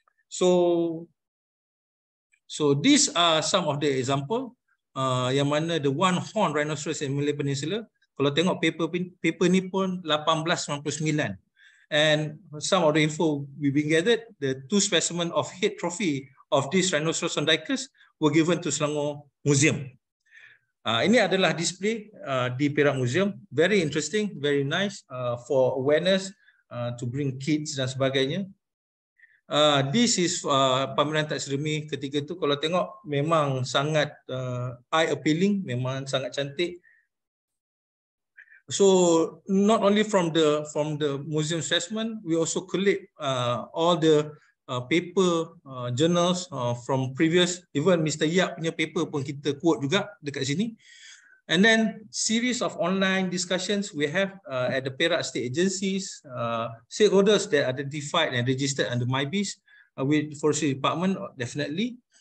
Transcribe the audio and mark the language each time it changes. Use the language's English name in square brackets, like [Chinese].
[English] So these are some of the example, [Malay] yang mana [English] the one horn rhinoceros in Malay Peninsula. [Malay] Kalau tengok paper ni pun 1899. [English] And some of the info we've been gathered, the 2 specimen of head trophy of this rhinoceros on dikers were given to Selangor Museum. [Malay] Ini adalah display di Perak Museum. [English] Very interesting, very nice, for awareness, to bring kids [Malay] dan sebagainya. [English] This is [Malay] pameran taksidermi ketiga tu. Kalau tengok memang sangat [English] eye appealing, [Malay] memang sangat cantik. [English] So not only from the museum assessment, we also collect all the paper journals from previous, even Mr. [Malay] Yap punya paper pun kita quote juga dekat sini. [English] And then series of online discussions we have at the Perak state agencies, stakeholders that identified and registered under MyBiz with Forestry Department, definitely.